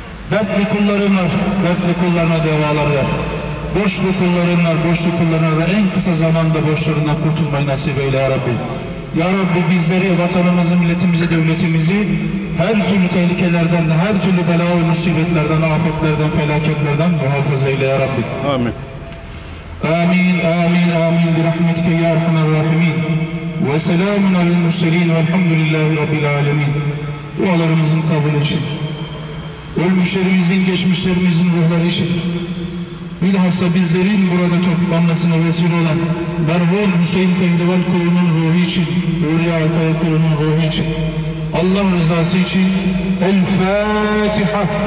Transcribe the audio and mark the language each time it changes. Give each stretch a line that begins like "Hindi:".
Turkish: Dertli kullarına, dertli kullarına devalar ver. Boşlu kullarına, boşlu kullarına ve en kısa zamanda boşlarından kurtulmayı nasip eyle ya Rabbi. Ya Rabbi bizleri, vatanımızı, milletimizi, devletimizi her türlü tehlikelerden, her türlü bela ve musibetlerden, afetlerden, felaketlerden muhafaza eyle ya Rabbi. Amin.
Arabic: آمين آمين آمين برحمتك يا أرحم الراحمين. وسلام على المرسلين والحمد لله رب العالمين.
Turkish: Dualarımızın kabul için, ölmüşlerimizin, geçmişlerimizin ruhları için, bilhassa bizlerin burada toplanmasına vesile olan merhum Hüseyin Tehlivan kulunun ruhu için, Hürriye Akaya kulunun ruhu için, Allah rızası için, El-Fatiha.